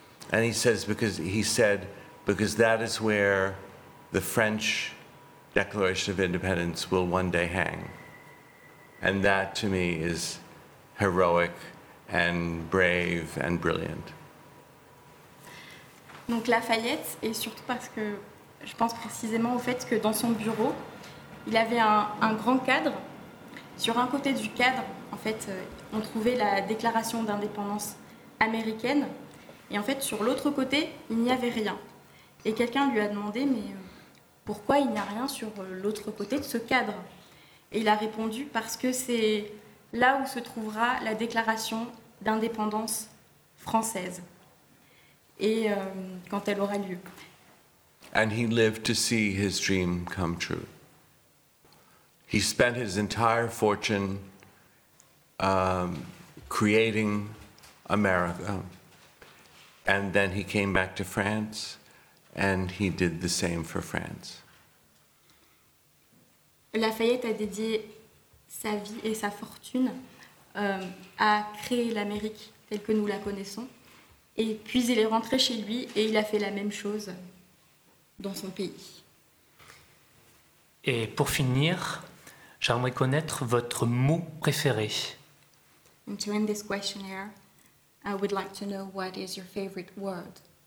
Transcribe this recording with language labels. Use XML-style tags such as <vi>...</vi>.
<en>And he said, because that is where the French Declaration of Independence will one day hang. And that, to me, is heroic and brave and brilliant.</en> <fr>Donc Lafayette, et surtout parce que je pense précisément au fait que dans son bureau, il avait un grand cadre. Sur un côté du cadre, en fait, on trouvait la déclaration d'indépendance américaine. Et en fait, sur l'autre côté, il n'y avait rien. Et quelqu'un lui a demandé, mais pourquoi il n'y a rien sur l'autre côté de ce cadre ? Et il a répondu, parce que c'est là où se trouvera la déclaration d'indépendance française. Et quand elle aura lieu.</fr> <en>And he lived to see his dream come true. He spent his entire fortune creating America. And then he came back to France and he did the same for France.</en> <fr>Lafayette a dédié sa vie et sa fortune à créer l'Amérique telle que nous la connaissons. Et puis il est rentré chez lui et il a fait la même chose dans son pays. Et pour finir, j'aimerais connaître votre mot préféré.</fr> <en>And to end this questionnaire, I would like to know what is your favorite word.</en>